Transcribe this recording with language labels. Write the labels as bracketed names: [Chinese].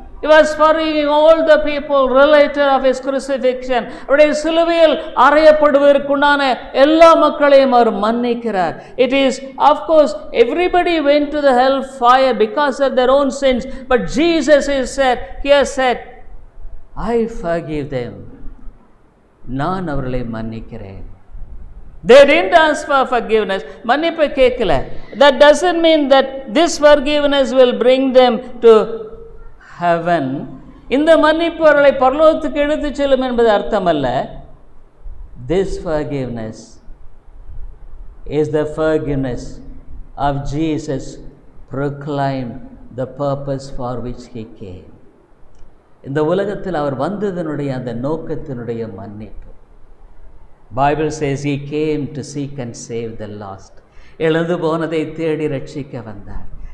[English] He was forgiving all the people related of his crucifixion. [Tamil] அவருடைய சிலுவையில் அறையப்படுவதற்குண்டான எல்லா மக்களையும் அவர் மன்னிக்கிறார். [English] It is, of course, everybody went to the hell fire because of their own sins. But Jesus is said, he has said, I forgive them. [Tamil] நான் அவர்களை மன்னிக்கிறேன். [English] They didn't ask for forgiveness. [Tamil] மன்னிப்பு கேட்கல. [English] That doesn't mean that this forgiveness will bring them to heaven. [Tamil] இந்த மன்னிப்பு அவர்களை பரலோகத்துக்கு எடுத்துச் செல்லும் என்பது அர்த்தமல்ல. [English] This forgiveness is the forgiveness of Jesus proclaimed the purpose for which he came. [Tamil] இந்த உலகத்தில் அவர் வந்ததனுடைய அந்த நோக்கத்தினுடைய மன்னிப்பு. [English] Bible says he came to seek and save the lost. [Tamil] இழந்து போனதை தேடி ரட்சிக்க வந்தார்.